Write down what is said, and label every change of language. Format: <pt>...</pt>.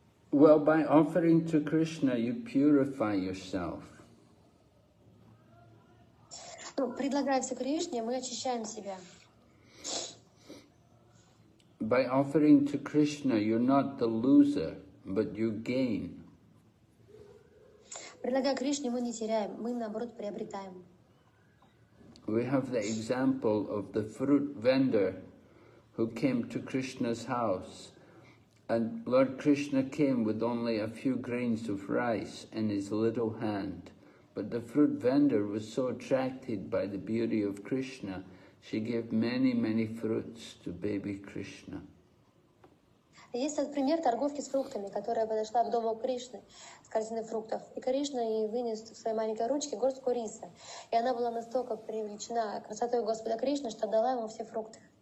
<en>Well, by offering to Krishna, you purify yourself.</en> <ru>Ну, предлагаемся Кришне, мы очищаем себя.</ru> <en>By offering to Krishna, you're not the loser, but you gain.</en> <ru>Предлагая Кришне, мы не теряем, мы наоборот приобретаем.</ru> <en>We have the example of the fruit vendor who came to Krishna's house, and Lord Krishna came with only a few grains of rice in his little hand. But the fruit vendor was so attracted by the beauty of Krishna, she gave many, many fruits to baby Krishna.</en> <ru>Есть этот пример торговки с фруктами, которая подошла к дому Кришны с корзиной фруктов. И Кришна ей вынес в своей маленькой ручке горстку риса. И она была настолько привлечена красотой Господа Кришны, что дала ему все фрукты.</ru>